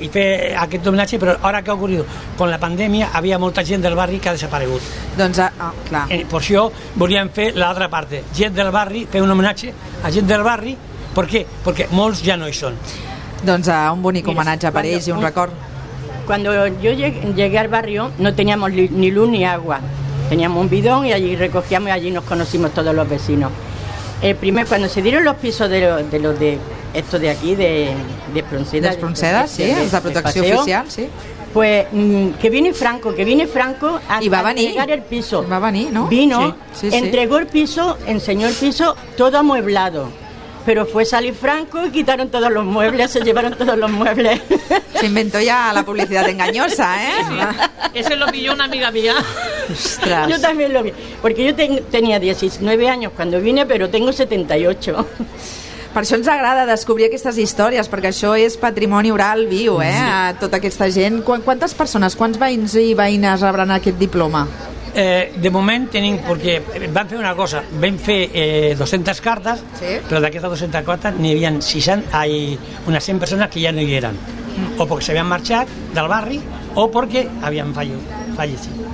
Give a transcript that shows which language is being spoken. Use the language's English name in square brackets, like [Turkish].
[Catalan] i fer aquest homenatge, però ara que [Spanish] ha ocorrido con la [Catalan] pandèmia, havia molta gent del barri que ha desaparegut. Doncs, clar. Per això volíem fer l'altra part, gent del barri, fer un homenatge a gent del barri. Per què? Perquè molts ja no hi són. Doncs, un bonic homenatge per ells i un record. Quan jo llegué al barri, no teníem ni llum ni agua. [Spanish] Teníem un bidón i allí recogíem i allí nos conocimos todos los vecinos. El primer, cuando se dieron los pisos de los de esto de aquí, de Espronceda. De Espronceda, sí, [Catalan] és la protecció [Spanish] paseo, oficial, sí. Pues que viene Franco a entregar el piso. Va venir, ¿no? Vino, sí. Entregó el piso, enseñó el piso, todo amueblado. Pero fue salir Franco y quitaron todos los muebles, se llevaron todos los muebles. Se inventó ya la publicidad engañosa, ¿eh? Sí, sí. Eso lo pilló una amiga mía. Ostras. Yo también lo vi. Porque yo tenía 19 años cuando vine, pero tengo 78. [Catalan] Per això ens agrada descobrir aquestes històries, perquè això és patrimoni oral viu, eh? A tota aquesta gent. Quantes persones, quants veïns i veïnes rebran aquest diploma? De moment tenim, perquè vam fer una cosa, vam fer 200 cartes, sí, però d'aquestes 200 cartes n'hi havia 60, hi unes 100 persones que ja no hi eren, o perquè s'havien marxat del barri, o perquè havien fallecit.